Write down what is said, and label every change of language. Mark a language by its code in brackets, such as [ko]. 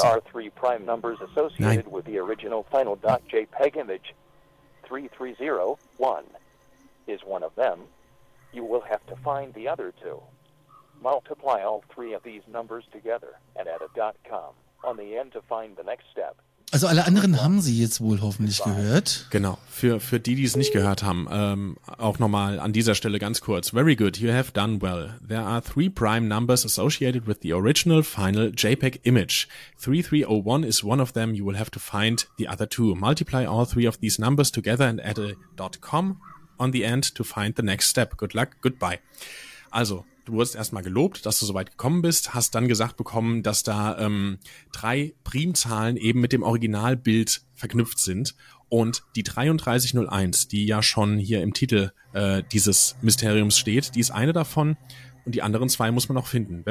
[en] There are three prime numbers associated with the original final dot JPEG image. 3301 is one of them. You will have to find the other two. Multiply all three of these numbers together and add a dot com on the end to find the next step. [de] Also alle anderen haben sie jetzt wohl hoffentlich gehört. Genau, für die, die es nicht gehört haben, auch nochmal an dieser Stelle ganz kurz. [en] Very good, you have done well. There are three prime numbers associated with the original final JPEG image. 3301 is one of them, you will have to find the other two. Multiply all three of these numbers together and add a .com on the end to find the next step. Good luck, goodbye. [de] Also, du wurdest erstmal gelobt, dass du so weit gekommen bist, hast dann gesagt bekommen, dass da drei Primzahlen eben mit dem Originalbild verknüpft sind und die 3301, die ja schon hier im Titel dieses Mysteriums steht, die ist eine davon und die anderen zwei muss man auch finden.